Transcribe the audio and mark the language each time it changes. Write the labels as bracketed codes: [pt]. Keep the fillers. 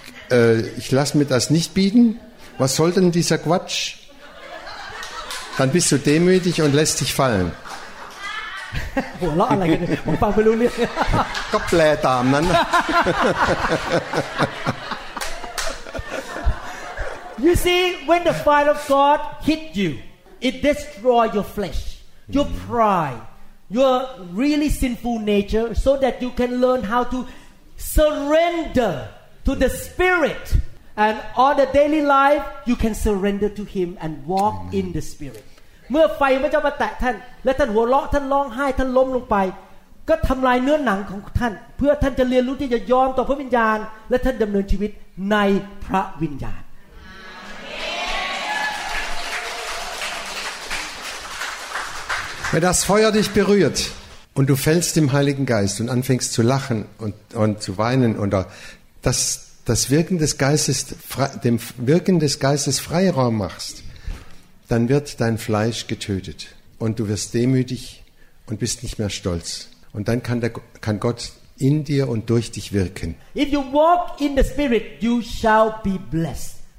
[de] Uh, ich lasse mir das nicht bieten. Was soll denn dieser Quatsch? Dann bist du demütig und lässt dich fallen. [en] well, you see, when the fire of God hit you, it destroyed your flesh, mm -hmm. your pride, your really sinful nature, so that you can learn how to surrender. to the Spirit and all the daily life you can surrender to Him and walk Amen. in the Spirit [th] เมื่อไฟไม่เจ้ามาแตะท่าน และท่านหัวเราะท่านร้องไห้ ท่านล้มลงไป ก็ทำลายเนื้อหนังของท่าน เพื่อท่านจะเรียนรู้ที่จะยอมต่อพระวิญญาณ และท่านดำเนินชีวิตในพระวิญญาณ [de] Wenn das Feuer dich berührt und du fällst im Heiligen Geist und anfängst zu lachen und, und zu weinen oder dass das Wirken des Geistes, dem Wirken des Geistes Freiraum machst, dann wird dein Fleisch getötet und du wirst demütig und bist nicht mehr stolz. Und dann kann, der, kann Gott in dir und durch dich wirken. [en] If you walk in the Spirit, you shall be blessed.